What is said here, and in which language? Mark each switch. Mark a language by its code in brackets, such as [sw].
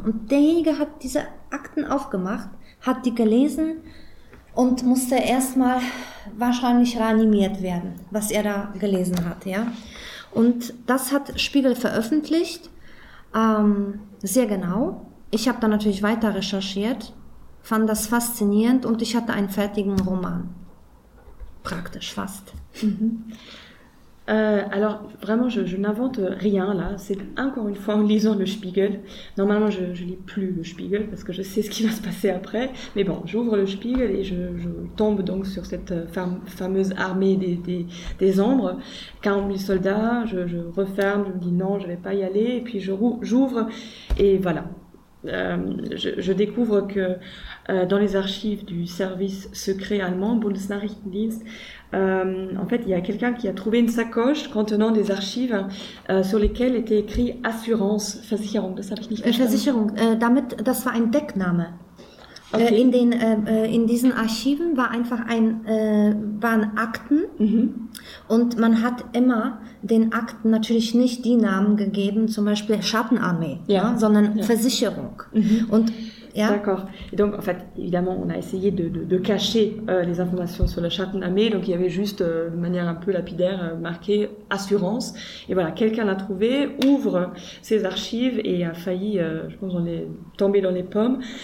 [de] Und derjenige hat diese Akten aufgemacht, hat die gelesen und musste erstmal wahrscheinlich reanimiert werden, was er da gelesen hat, ja. Und das hat Spiegel veröffentlicht, sehr genau. Ich habe dann natürlich weiter recherchiert, fand das faszinierend und ich hatte einen fertigen Roman. Praktisch, fast. [fr] Alors, vraiment, je n'invente rien, là. C'est encore une fois en lisant le Spiegel. Normalement, je lis plus le Spiegel parce que je sais ce qui va se passer après. Mais bon, j'ouvre le Spiegel et je tombe donc sur cette fameuse armée des ombres. 40 000 soldats, je referme, je me dis non, je ne vais pas y aller. Et puis, j'ouvre et voilà. Je découvre que dans les archives du service secret allemand, Bundesnachrichtendienst, en fait, il y a quelqu'un qui a trouvé une sacoche contenant des archives sur lesquelles était écrit assurance, Versicherung. [de] Das habe ich nicht verstanden. Versicherung. Damit, das war ein Deckname. Okay. In diesen Archiven war einfach waren Akten und man hat immer den Akten natürlich nicht die Namen gegeben, zum Beispiel Schattenarmee, ja, sondern ja. Versicherung. [fr] Und d'accord. Et donc, en fait, évidemment, on a essayé de cacher les informations sur la Schattenarmee. Donc, il y avait juste, de manière un peu lapidaire, marqué assurance. Et voilà, quelqu'un l'a trouvé, ouvre ses archives et a failli, je pense, on est tombé dans les pommes.